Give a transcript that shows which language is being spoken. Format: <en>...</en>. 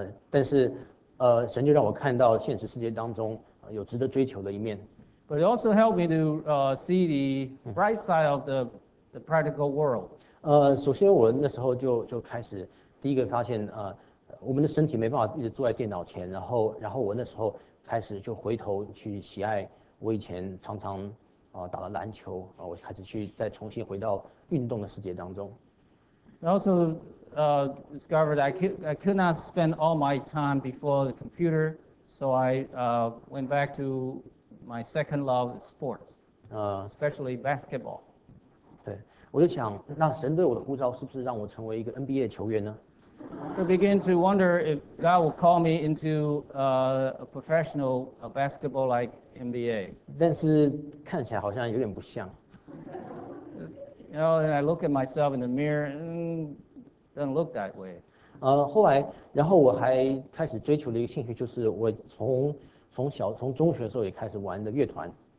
<zh>但是神就让我看到现实世界当中有值得追求的一面。</zh> <en>But it also helped me to see the bright side of the practical world.</en> <zh>首先我那时候就开始第一个发现我们的身体没办法一直坐在电脑前，然后我那时候开始就回头去喜爱我以前常常打了篮球，我开始去再重新回到运动的世界当中。</zh> <en>Also discovered I could not spend all my time before the computer, so I went back to my second love, sports, especially basketball.</en> <zh>对，我就想，那神对我的呼召是不是让我成为一个 NBA 球员呢？</zh> <en>So begin to wonder if God will call me into a professional basketball like NBA.</en> <zh>但是看起来好像有点不像。</zh> <en>You know, and I look at myself in the mirror and doesn't look that way.</en> <zh>后来，然后我还开始追求了一个兴趣，就是我从中学的时候也开始玩的乐团。</zh>